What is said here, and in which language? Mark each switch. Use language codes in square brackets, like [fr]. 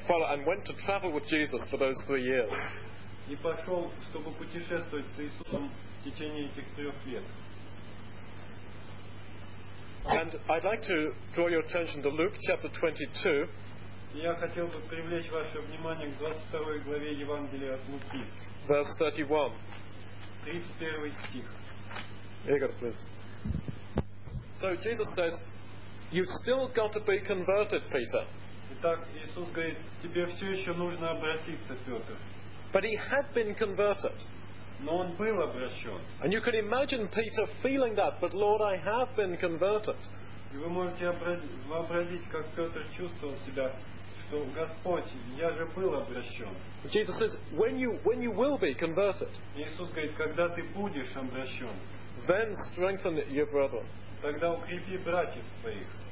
[en] And went to travel with Jesus for those 3 years. [ru] И пошел, чтобы путешествовать с Иисусом в течение этих 3 лет. [en] And I'd like to draw your attention to Luke chapter 22. [ru] Я хотел бы привлечь ваше внимание к 22 главе Евангелия от Луки. [en] Verse 31. [ru] 31 стих. [en] Игорь, please. So Jesus says, you've still got to be converted, Peter. [ru] Итак, Иисус говорит, тебе все еще нужно обратиться, Петр. [en] But he had been converted. [ru] Но он был обращен. [en] And you can imagine Peter feeling that, but Lord, I have been converted. [ru] И вы можете вообразить, как Петр чувствовал себя, что Господь, я же был обращен. [en] Jesus says, when you will be converted. [ru] Иисус говорит, когда ты будешь обращен. [en] Then strengthen your brother. [ru] Тогда укрепи братьев своих.